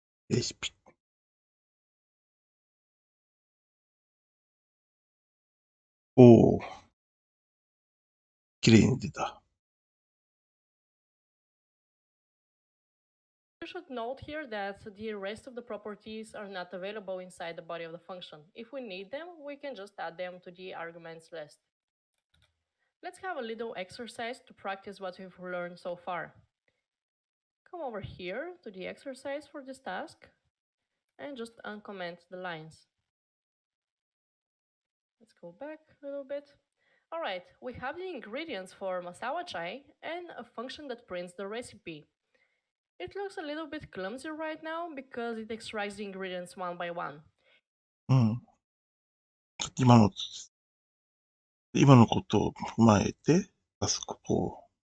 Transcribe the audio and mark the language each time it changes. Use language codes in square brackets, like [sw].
[ja] レシピ おー、綺麗に出た。 [en] You should note here that the rest of the properties are not available inside the body of the function. If we need them, we can just add them to the arguments list. Let's have a little exercise to practice what we've learned so far. Come over here to the exercise for this task and just uncomment the lines. Let's go back a little bit. All right, we have the ingredients for masala chai and a function that prints the recipe. It looks a little bit clumsy right now because it extracts the ingredients one by one. [ja] 今のことを踏まえて、あそこを。